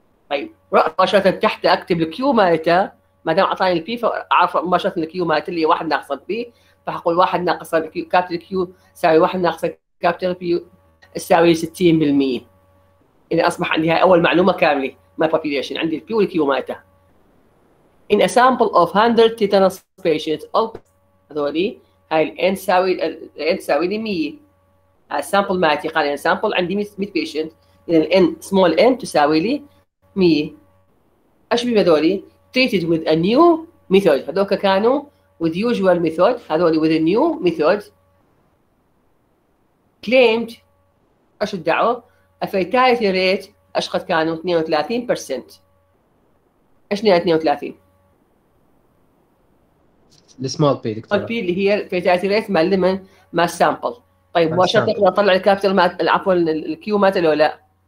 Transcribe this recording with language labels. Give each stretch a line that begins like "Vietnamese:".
Arabic: طيب رأس مباشرة تحت أكتب الكيو مالته، ما دام أعطاني البي فأعرف مباشرة الكيو مالته اللي هي واحد ناقص البي، فحقول واحد ناقص capital Q يساوي واحد ناقص capital P يساوي 60%. إذا أصبح عندي هاي أول معلومة كاملة.
English: My population
Arabic: عندي الـ Q والـ Q مالتها.
English: In a sample of 100 tetanus patients
Arabic: of هذولي هاي الـ N تساوي الـ N تساوي لي 100.
English: A sample
Arabic: مالتي قال لي sample عندي 100 patients، إذا الـ N small n تساوي لي 100.
English: إيش بهم هذولي؟ Treated with a new method،
Arabic: هذوك كانوا
English: with usual method، هذولي with a new method.
Arabic: Claimed إيش الدعوة؟
English: A fatality rate
Arabic: ايش قد كانوا 32%. ايش نيه 32؟ السمول بي دكتور، السمول بي اللي هي فيتاليتي ريت مال لمن؟ مال سامبل. طيب مباشرة اطلع الكابيتال مال، عفوا الكيو مات لو لا؟